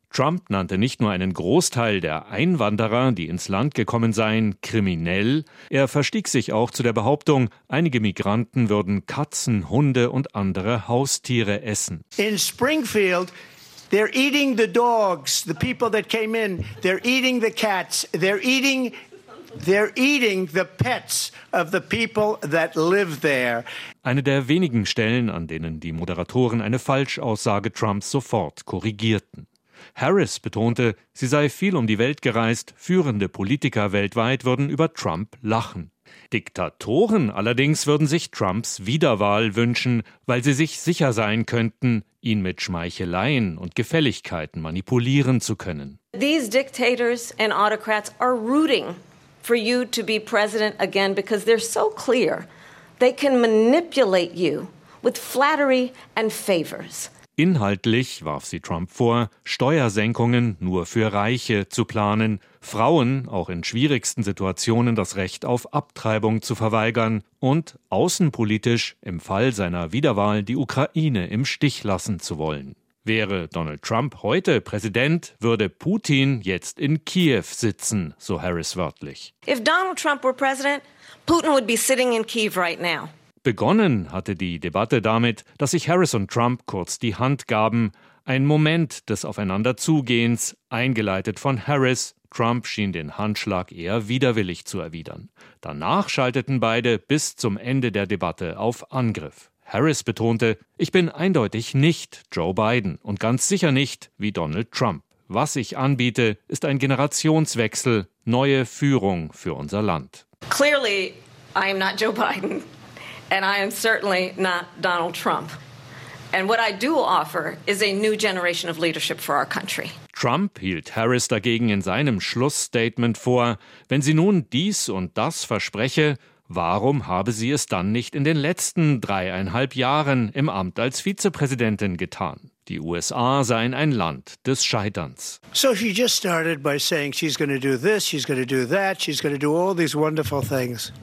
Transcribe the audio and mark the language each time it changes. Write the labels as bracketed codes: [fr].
[de] Trump nannte nicht nur einen Großteil der Einwanderer, die ins Land gekommen seien, kriminell. Er verstieg sich auch zu der Behauptung, einige Migranten würden Katzen, Hunde und andere Haustiere essen. [en] In Springfield, they're eating the dogs, the people that came in. They're eating the cats. They're eating the pets of the people that live there. [de] Eine der wenigen Stellen, an denen die Moderatoren eine Falschaussage Trumps sofort korrigierten. Harris betonte, sie sei viel um die Welt gereist, führende Politiker weltweit würden über Trump lachen. Diktatoren allerdings würden sich Trumps Wiederwahl wünschen, weil sie sich sicher sein könnten, ihn mit Schmeicheleien und Gefälligkeiten manipulieren zu können. [en] These dictators and autocrats are rooting for you to be president again because they're so clear. They can manipulate you with flattery and favors. [de] Inhaltlich warf sie Trump vor, Steuersenkungen nur für Reiche zu planen, Frauen auch in schwierigsten Situationen das Recht auf Abtreibung zu verweigern und außenpolitisch im Fall seiner Wiederwahl die Ukraine im Stich lassen zu wollen. Wäre Donald Trump heute Präsident, würde Putin jetzt in Kiew sitzen, so Harris wörtlich. [en] If Donald Trump were president, Putin would be sitting in Kiev right now. [de] Begonnen hatte die Debatte damit, dass sich Harris und Trump kurz die Hand gaben. Ein Moment des Aufeinanderzugehens, eingeleitet von Harris. Trump schien den Handschlag eher widerwillig zu erwidern. Danach schalteten beide bis zum Ende der Debatte auf Angriff. Harris betonte, ich bin eindeutig nicht Joe Biden und ganz sicher nicht wie Donald Trump. Was ich anbiete, ist ein Generationswechsel, neue Führung für unser Land. [en] Clearly, I am not Joe Biden. And I am certainly not Donald Trump. And what I do offer is a new generation of leadership for our country. [de] Trump hielt Harris dagegen in seinem Schlussstatement vor, wenn sie nun dies und das verspreche, warum habe sie es dann nicht in den letzten 3,5 Jahren im Amt als Vizepräsidentin getan? Die USA seien ein Land des Scheiterns. [en] So she just started by saying she's going to do this, she's going to do that, she's going to do all these wonderful things.